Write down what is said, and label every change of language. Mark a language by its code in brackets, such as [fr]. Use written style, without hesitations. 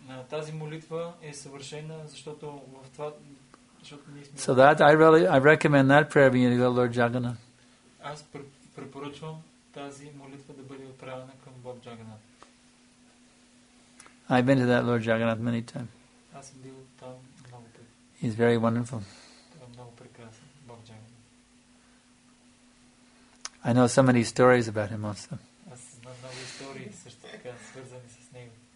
[bg] Тази молитва е съвършена, защото в това, защото ние сме. [en] So that I recommend that prayer being to Lord Jagannath. [bg] Аз препоръчвам тази молитва да бъде отправена към Бог Джаганат. [en] I've been to that Lord Jagannath many times. [bg] Аз съм бил там много пъти. [en] He's very wonderful. [bg] Той е много прекрасен, Бог Джаганат. [en] I know so many stories about him also. [bg] Аз знам много истории също така, свързани с него.